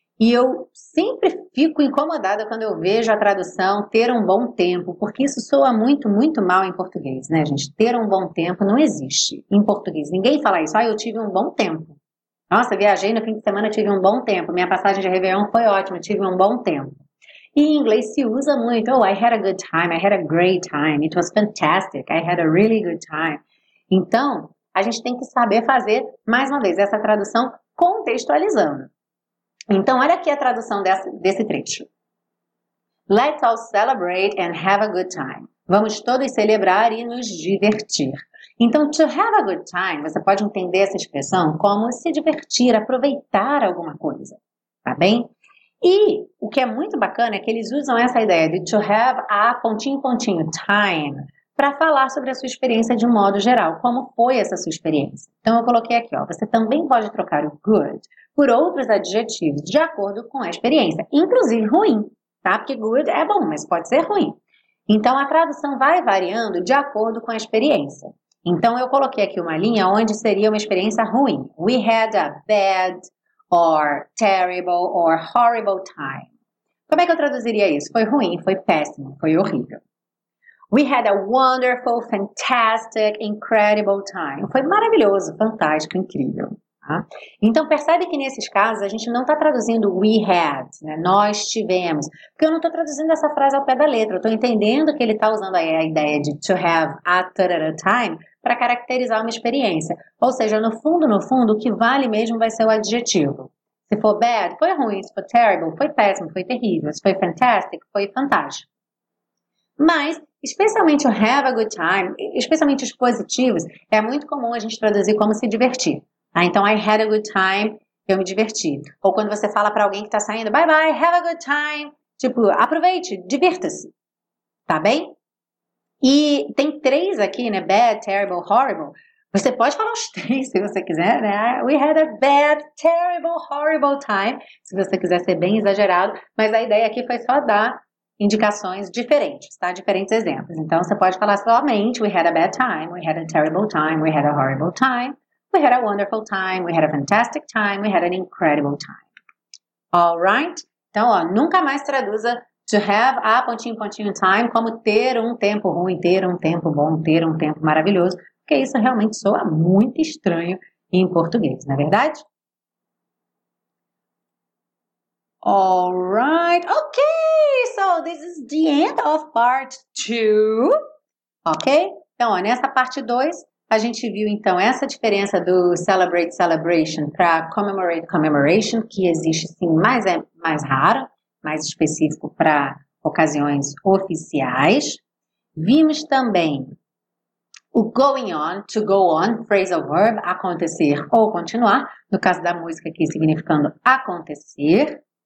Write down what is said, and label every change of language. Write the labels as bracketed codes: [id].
[pt] E eu sempre fico incomodada quando eu vejo a tradução ter um bom tempo, porque isso soa muito, muito mal em português, né, gente? Ter um bom tempo não existe em português. Ninguém fala isso. Ah, eu tive um bom tempo. Nossa, viajei no fim de semana, tive um bom tempo. Minha passagem de Réveillon foi ótima, tive um bom tempo. E em inglês se usa muito. [en] Oh, I had a good time, I had a great time, it was fantastic, I had a really good time. [pt] Então, a gente tem que saber fazer, mais uma vez, essa tradução contextualizando. Então, olha aqui a tradução desse trecho. [en] Let's all celebrate and have a good time. [pt] Vamos todos celebrar e nos divertir. Então, to have a good time, você pode entender essa expressão como se divertir, aproveitar alguma coisa, tá bem? E o que é muito bacana é que eles usam essa ideia de to have a pontinho, pontinho, time, para falar sobre a sua experiência de modo geral, como foi essa sua experiência. Então eu coloquei aqui, ó, você também pode trocar o good por outros adjetivos de acordo com a experiência, inclusive ruim, tá? Porque good é bom, mas pode ser ruim. Então a tradução vai variando de acordo com a experiência. Então eu coloquei aqui uma linha onde seria uma experiência ruim. [en] We had a bad or terrible or horrible time. [pt] Como é que eu traduziria isso? Foi ruim, foi péssimo, foi horrível. [en] We had a wonderful, fantastic, incredible time. [pt] Foi maravilhoso, fantástico, incrível. Tá? Então, percebe que nesses casos a gente não está traduzindo we had, né? Nós tivemos. Porque eu não estou traduzindo essa frase ao pé da letra. Eu estou entendendo que ele está usando aí a ideia de to have at a time para caracterizar uma experiência. Ou seja, no fundo, no fundo, o que vale mesmo vai ser o adjetivo. Se for bad, foi ruim. Se for terrible, foi péssimo, foi terrível. Se foi fantastic, foi fantástico. Mas, especialmente o have a good time, especialmente os positivos, é muito comum a gente traduzir como se divertir. Ah, então, [en] I had a good time, [pt] eu me diverti. Ou quando você fala para alguém que está saindo, [en] bye bye, have a good time. [pt] Tipo, aproveite, divirta-se. Tá bem? E tem três aqui, né? Bad, terrible, horrible. Você pode falar os três se você quiser, né? [en] We had a bad, terrible, horrible time. [pt] Se você quiser ser bem exagerado. Mas a ideia aqui foi só dar indicações diferentes, tá? Diferentes exemplos. Então, você pode falar somente, [en] we had a bad time, we had a terrible time, we had a horrible time. We had a wonderful time, we had a fantastic time, we had an incredible time. All right? [pt] Então, ó, nunca mais traduza to have a pontinho, pontinho time como ter um tempo ruim, ter um tempo bom, ter um tempo maravilhoso, porque isso realmente soa muito estranho em português, não é verdade? [en] All right? Okay, so this is the end of part 2. [pt] Ok? Então, ó, nessa parte 2, a gente viu, então, essa diferença do celebrate, celebration para commemorate, commemoration, que existe, sim, mas é mais raro, mais específico para ocasiões oficiais. Vimos também o going on, to go on, phrasal verb, acontecer ou continuar, no caso da música aqui significando acontecer.